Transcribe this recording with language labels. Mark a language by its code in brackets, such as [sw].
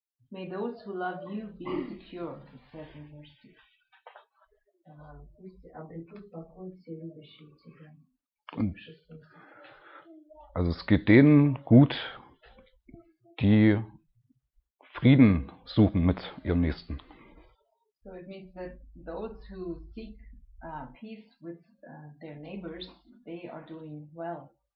[en] May those who love you be secure, it says in verse 2. [de] Also es geht denen gut, die Frieden suchen mit ihrem Nächsten. [en] So it means that those who seek peace with their neighbors, they are doing well.